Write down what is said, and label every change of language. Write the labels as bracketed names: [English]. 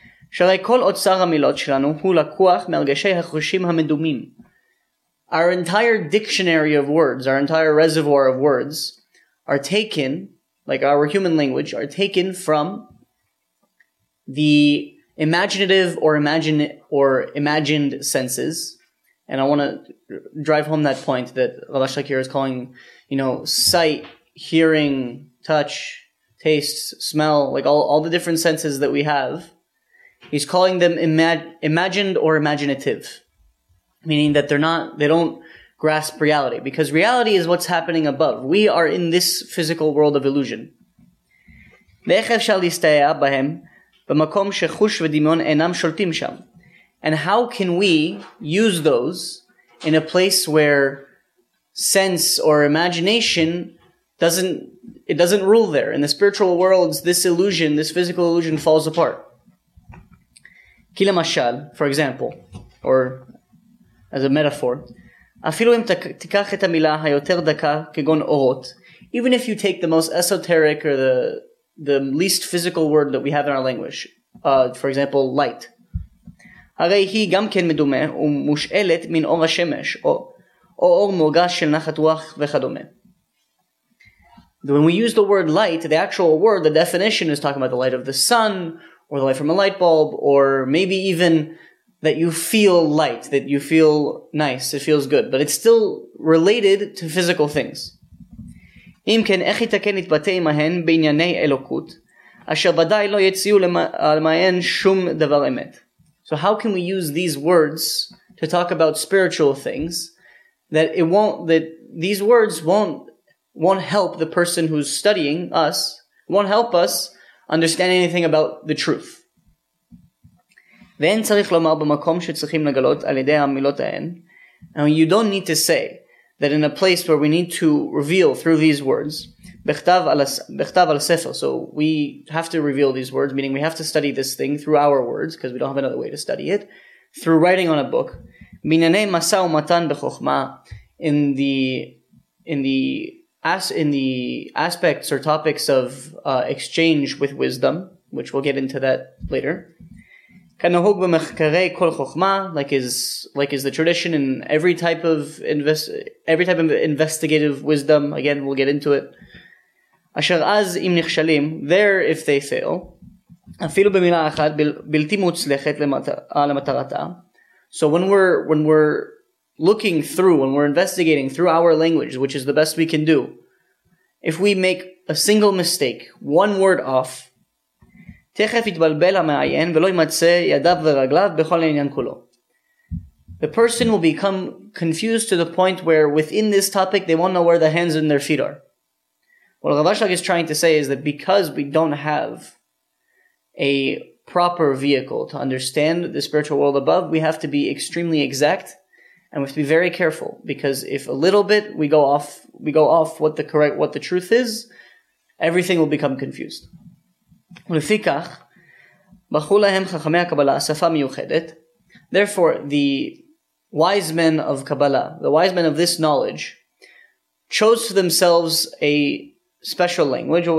[Hebrew] שהרי כל אוצר המילות שלנו הוא לקוח מהרגשי החושים המדומים. [English] Our entire dictionary of words, our entire reservoir of words, are taken, like our human language, are taken from the imaginative or imagined senses. And I want to drive home that point that Rav Ashlag is calling, you know, sight, hearing, touch, taste, smell, like all the different senses that we have. He's calling them imagined or imaginative, meaning that they don't grasp reality, because reality is what's happening above. We are in this physical world of illusion. [Hebrew] ואיך אפשר להסתייע בהם במקום שחוש ודמיון אינם שולטים שם? [English] And how can we use those in a place where sense or imagination doesn't rule there? In the spiritual worlds, this illusion, this physical illusion falls apart. [Hebrew] כי למשל, [English] for example, or as a metaphor, [Hebrew] אפילו אם תיקח את המילה היותר דקה כגון אורות, [English] even if you take the most esoteric or the least physical word that we have in our language, for example, light, [Hebrew] הרי היא גם כן מדומה ומושאלת מן אור השמש, או אור מורגש של נחת רוח וכדומה. [English] When we use the word light, the actual word, the definition is talking about the light of the sun, or the light from a light bulb, or maybe even that you feel light, that you feel nice, it feels good, but it's still related to physical things. [Hebrew] אם כן, איך יתקן להתבטא עמהן בענייני אלוקות, אשר ודאי לא יציאו למען שום דבר אמת? [English] So how can we use these words to talk about spiritual things that these words won't help the person who's studying us, won't help us understand anything about the truth? [Hebrew] ואין צריך לומר במקום שצריכים לגלות על ידי המילות ההן. [English] And you don't need to say that in a place where we need to reveal through these words, [Hebrew] בכתב על הספר, [English] so we have to reveal these words, meaning we have to study this thing through our words, because we don't have another way to study it, through writing on a book, [Hebrew] מנני מסע ומתן בחוכמה, [English] in the aspects or topics of exchange with wisdom, which we'll get into that later, [Hebrew] כנהוג במחקרי כל חוכמה, [English] like is the tradition in every type of investigative wisdom. Again, we'll get into it. [Hebrew] אשר אז אם נכשלים, [English] there if they fail, [Hebrew] אפילו במילה אחת בלתי מוצלחת למטרתה. [English] So when we're looking through, when we're investigating through our language, which is the best we can do, if we make a single mistake, one word off, [Hebrew] תכף יתבלבל המעיין ולא ימצא ידיו ורגליו בכל עניין כולו. [English] The person will become confused to the point where within this topic they won't know where the hands and their feet are. What Rav Ashlag is trying to say is that because we don't have a proper vehicle to understand the spiritual world above, we have to be extremely exact and we have to be very careful, because if a little bit we go off what the truth is, everything will become confused. [Hebrew] ולפיכך, בחרו להם חכמי הקבלה שפה מיוחדת. [English] Therefore, the wise men of Kabbalah, the wise men of this knowledge, chose to themselves a special language.